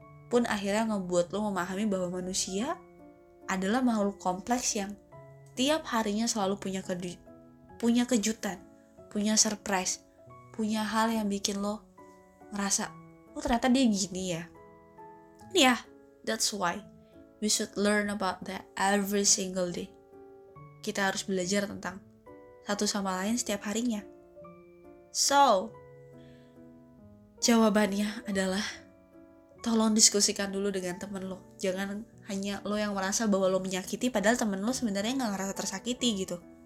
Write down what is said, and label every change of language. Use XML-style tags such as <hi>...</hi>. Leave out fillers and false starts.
<id>Pun akhirnya ngebuat lo memahami bahwa manusia adalah makhluk kompleks yang tiap harinya selalu punya kejutan, punya surprise, punya hal yang bikin lo ngerasa, oh ternyata dia gini ya.</id> <en>Yeah, that's why we should learn about that every single day.</en> <id>Kita harus belajar tentang satu sama lain setiap harinya. So, jawabannya adalah, tolong diskusikan dulu dengan temen lo. Jangan hanya lo yang merasa bahwa lo menyakiti, padahal temen lo sebenarnya gak ngerasa tersakiti gitu.</id>